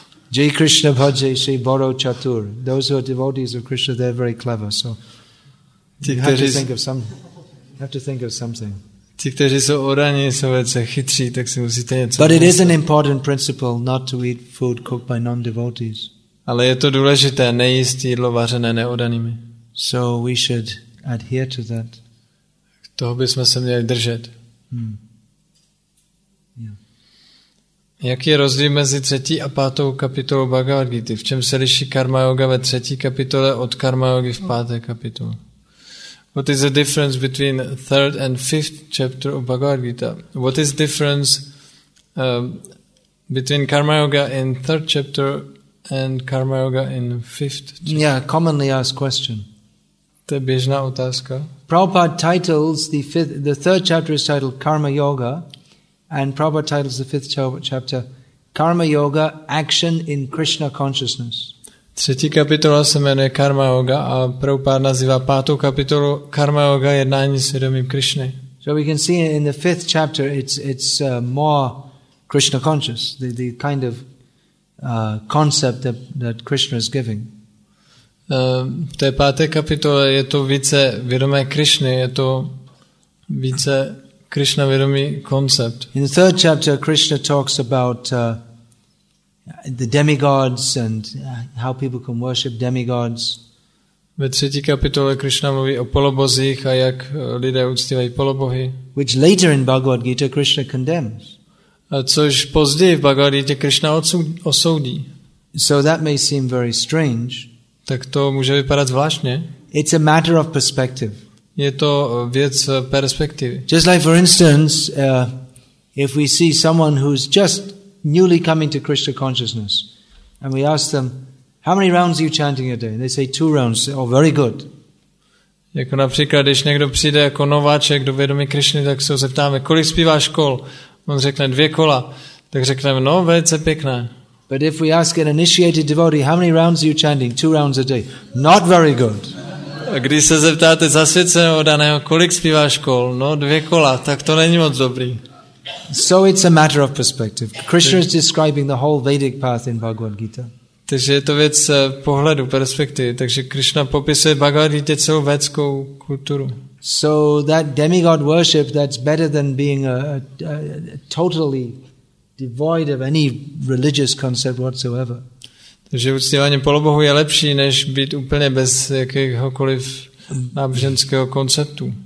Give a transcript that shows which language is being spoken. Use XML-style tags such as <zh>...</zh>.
<bn>Jai Krishna Bhajai Shri Boro Chatur.</bn> <en>Those who are devotees of Krishna, they're very clever. So you have to think of something.</en> <cs>Ti, kteří jsou odaní, jsou velice chytří, tak si musíte něco</cs> <en>But it is an important principle not to eat food cooked by non-devotees.</en> <cs>Ale je to důležité nejíst jídlo vařené neodanými.</cs> <en>So we should adhere to that.</en> <cs>Toho bychom se měli držet.</cs> <en>Yeah.</en> <cs>Jaký je rozdíl mezi třetí a pátou kapitolou Bhagavad Gita? V čem se liší karma yoga ve třetí kapitole od karma yogi v páté kapitole?</cs> <en>What is the difference between third and fifth chapter of Bhagavad Gita? What is difference between karma yoga in third chapter and karma yoga in fifth chapter? Yeah, commonly asked question.</en> <cs>To je běžná otázka.</cs> <en>Prabhupada titles the third chapter is titled Karma Yoga, and Prabhupada titles the fifth chapter Karma Yoga, Action in Krishna Consciousness.</en> <cs>Třetí kapitola se jmenuje Karma Yoga a Prabhupada nazývá pátou kapitolu Karma Yoga, jednání s vědomím Krišny.</cs> <en>So we can see in the fifth chapter it's more Krishna conscious, the kind of concept that Krishna is giving.</en> <cs>V té páté kapitole je to více vědomé Krišny, je to více Krišna vědomý koncept.</cs> <en>In the third chapter Krishna talks about the demigods and how people can worship demigods.</en> <cs>Ve třetí kapitole Krishna mluví o polobozích a jak lidé uctívají polobohy.</cs> <en>Which later in Bhagavad Gita Krishna condemns.</en> <cs>A což později v Bhagavad Gita Krishna osoudí.</cs> <en>So that may seem very strange.</en> <cs>Tak to může vypadat zvláštně.</cs> <en>It's a matter of perspective.</en> <cs>Je to věc perspektivy.</cs> <en>Just like for instance, if we see someone who's just newly coming to Krishna consciousness, and we ask them, how many rounds are you chanting a day? And they say, 2 rounds. Oh, very good.</en> <cs>Jako například, když někdo přijde jako nováček do vědomí Krišny, tak se ho zeptáme, kolik zpíváš kol? On řekne, 2 kola. Tak řekneme, no, velice pěkné.</cs> <en>But if we ask an initiated devotee, how many rounds are you chanting? 2 rounds a day. Not very good.</en> <cs>A když se zeptáte zasvěceného daného, kolik zpíváš kol? No, 2 kola. Tak to není moc dobrý.</cs> <en>So it's a matter of perspective. Krishna is describing the whole Vedic path in Bhagavad Gita.</en> <cs>Takže je to věc pohledu, perspektivy. Takže Krishna popisuje Bhagavad Gita celou védskou kulturu.</cs> <en>So that demigod worship, that's better than being a totally devoid of any religious concept whatsoever. Takže uctívání polobohu je lepší, než být úplně bez jakéhokoliv náboženského konceptu.</en>